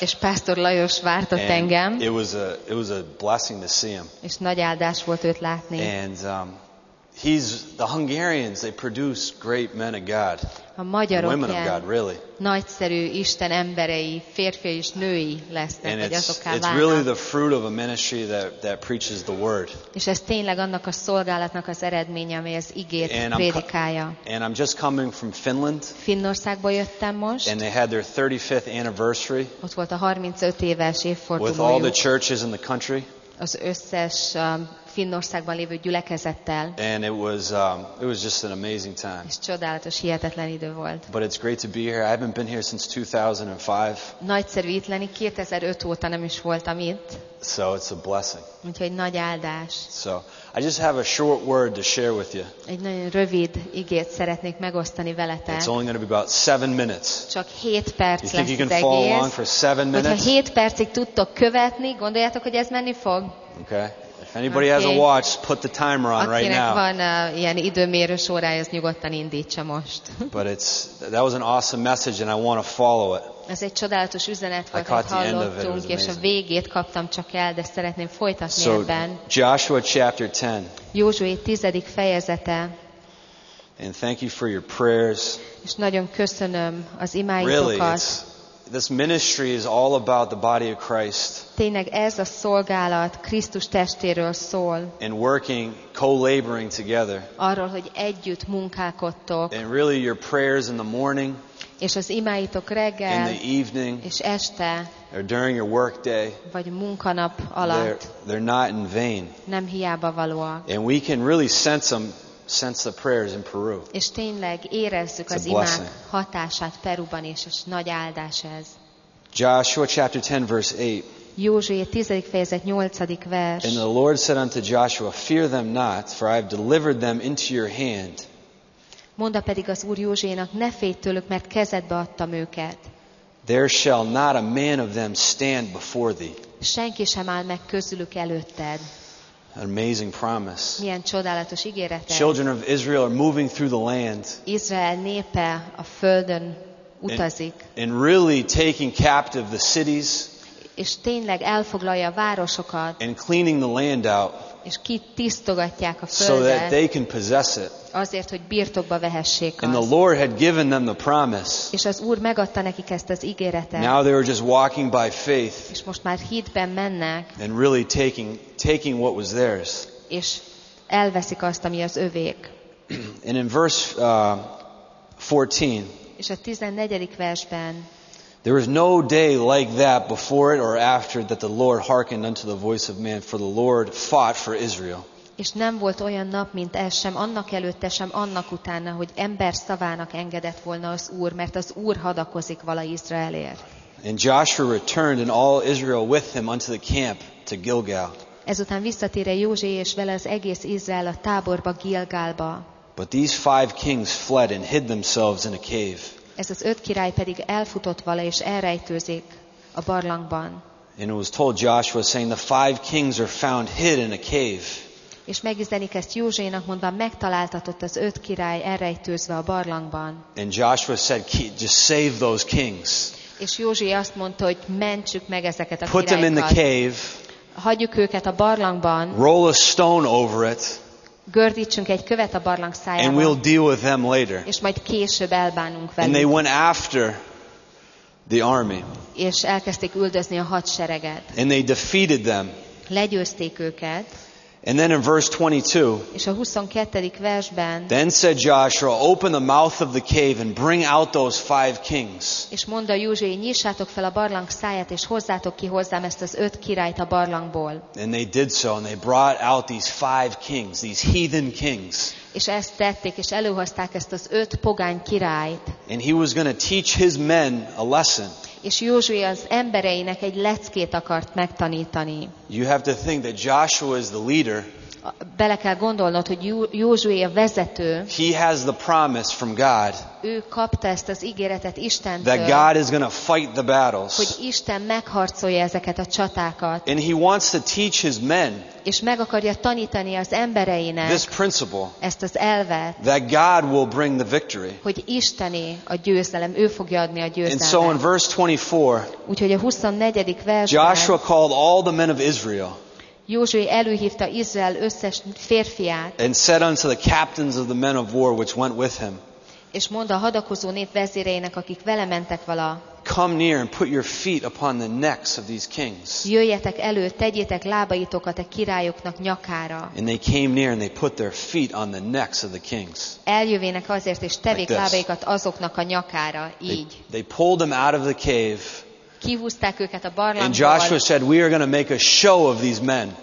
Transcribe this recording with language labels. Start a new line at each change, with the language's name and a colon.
Hungarian: És Pastor Lajos várt ott engem.
English: It was a blessing to see him.
Hungarian: És nagy áldás volt őt látni.
English: And he's the Hungarians. They produce great men of God.
Hungarian: A magyarok,
English: women of God, really.
Hungarian: Nagyszerű Isten emberei, férfi és női lesznek,
English: and
Hungarian: vagy azokká válnak.
English: It's really the fruit of a ministry that preaches the word.
Hungarian: És ez tényleg annak a szolgálatnak az eredménye, amely az igét prédikálja.
English: And I'm just coming from Finland.
Hungarian: Finnországba jöttem most.
English: And they had their 35th anniversary.
Hungarian: Ott volt a 35 éves évfordulójuk.
English: With all the churches in the country.
Hungarian: Az összes Finnországban lévő gyülekezettel.
English: And it was just an amazing time.
Hungarian: És csodálatos, hihetetlen idő volt.
English: But it's great to be here. I haven't been here since 2005.
Hungarian: Nagyszerű itt lenni, 2005 óta nem is voltam itt.
English: So it's a blessing.
Hungarian: Úgyhogy nagy áldás.
English: So I just have a short word to share with you.
Hungarian: Egy nagyon rövid igét szeretnék megosztani veletek.
English: It's only going to be about 7 minutes.
Hungarian: Csak 7 perc lesz.
English: You think you can follow along for 7 minutes?
Hungarian: Hogyha 7 percig tudtok követni, gondoljátok, hogy ez menni fog?
English: Okay. If anybody okay. has a watch, put the timer on right now.
Hungarian: Van ilyen időmérős órája, az nyugodtan indítsa most.
English: But that was an awesome message and I want to follow it.
Hungarian: Ez egy csodálatos üzenet volt, amit hallottunk, és a végét kaptam csak el, de szeretném folytatni
English: so,
Hungarian: ebben.
English: Joshua chapter 10.
Hungarian: Józsué 10. fejezete.
English: And thank you for your prayers.
Hungarian: És nagyon köszönöm az imáitokat.
English: Really, this ministry is all about the body of Christ.
Hungarian: Tényleg ez a szolgálat Krisztus testéről szól.
English: And working, co-laboring together.
Hungarian: Arról, hogy együtt munkálkodtok.
English: And really your prayers in the morning.
Hungarian: És az imáitok reggel,
English: in the evening,
Hungarian: és este,
English: or during your work day,
Hungarian: vagy munkanap alatt,
English: they're not in vain.
Hungarian: Nem hiába valóak.
English: And we can really sense the prayers in Peru.
Hungarian: És tényleg érezzük
English: it's
Hungarian: az imák hatását Peruban is, és nagy áldás ez.
English: Joshua chapter 10 verse 8.
Hungarian: Józsué 10. fejezet 8. vers.
English: And the Lord said unto Joshua, fear them not, for I have delivered them into your hand.
Hungarian: Mondta pedig az Úr Józsuénak, ne félj tőlük, mert kezedbe adtam őket.
English: There shall not a man of them stand before thee.
Hungarian: Senki sem áll meg közülük előtted.
English: An amazing promise.
Hungarian: Milyen csodálatos ígéret.
English: Children of Israel are moving through the land.
Hungarian: Izrael népe a földön utazik.
English: And really taking captive the cities.
Hungarian: És tényleg elfoglalja a városokat.
English: And cleaning the land out.
Hungarian: És kitisztogatják a földet.
English: So that they can possess it.
Hungarian: Azért, hogy birtokba vehessék azt.
English: And the Lord had given them the promise.
Hungarian: És az Úr megadta nekik ezt az ígéretet.
English: Now they were just walking by faith.
Hungarian: És most már hitben mennek.
English: And really taking what was theirs.
Hungarian: És elveszik azt, ami az övék.
English: And in verse 14.
Hungarian: És a 14. versben.
English: There is no day like that before it or after that the Lord hearkened unto the voice of man, for the Lord fought for Israel.
Hungarian: És nem volt olyan nap, mint ez sem, annak előtte sem, annak utána, hogy ember szavának engedett volna az Úr, mert az Úr hadakozik vala Izraelért.
English: And Joshua returned and all Israel with him unto the camp to Gilgal.
Hungarian: Ezután visszatér Józsué és vele az egész Izrael a táborba, Gilgálba.
English: But these five kings fled and hid themselves in a cave.
Hungarian: Ez az öt király pedig elfutott vala és elrejtőzik a barlangban.
English: And it was told Joshua saying, the five kings are found hid in a cave.
Hungarian: És megizdenik ezt Józsuénak mondva, megtaláltatott az öt király elrejtőzve a barlangban.
English: And Joshua said, just save those kings.
Hungarian: És Józsué azt mondta, hogy mentsük meg ezeket a királyokat.
English: Put them in the cave.
Hungarian: Hagyjuk őket a barlangban.
English: Roll a stone over it.
Hungarian: Gördítsünk egy követ a barlang szájában.
English: And we'll deal with them later.
Hungarian: És majd később elbánunk velük.
English: And they went after the army.
Hungarian: És elkezdték üldözni a hadsereget.
English: And they defeated them.
Hungarian: Legyőzték őket.
English: And then in verse 22.
Hungarian: És a 22. versben.
English: Then said Joshua, open the mouth of the cave and bring out those five kings.
Hungarian: És mondta Józsué, nyissátok fel a barlang száját és hozzátok ki hozzám ezt az öt királyt a barlangból.
English: And they did so and they brought out these five kings, these heathen kings.
Hungarian: És ezt tették és előhozták ezt az öt pogány királyt.
English: And he was going to teach his men a lesson.
Hungarian: És Józsué az embereinek egy leckét akart megtanítani.
English: You have to think that Joshua is the leader.
Hungarian: Bele kell gondolnod, hogy Józsué a vezető.
English: He has the promise from God.
Hungarian: Ő kapta ezt az ígéretet Istentől.
English: That God is going to fight the battles.
Hungarian: Hogy Isten megharcolja ezeket a csatákat.
English: And he wants to teach his men.
Hungarian: És meg akarja tanítani az embereinek.
English: This principle.
Hungarian: Ezt az elvet.
English: That God will bring the victory.
Hungarian: Hogy Isteni a győzelem, ő fogja adni a győzelmet.
English: And so in verse 24.
Hungarian: Úgyhogy a 24. versben.
English: Joshua called all the men of Israel.
Hungarian: Józsué előhívta Izrael összes férfiát.
English: And said unto the captains of the men of war which went with him.
Hungarian: És mondta a hadakozó nép vezéreinek, akik vele mentek vala.
English: Come near and put your feet upon the necks of these kings.
Hungarian: Jöjjetek elő, tegyétek lábaitokat a királyoknak nyakára.
English: And they came near and they put their feet on the necks of the kings.
Hungarian: Eljövének azért és tevék lábaikat azoknak a nyakára, így.
English: They pulled them out of the cave.
Hungarian: Kihúzták őket a barlangból.
English: And Joshua said, we are going to make a show of these men.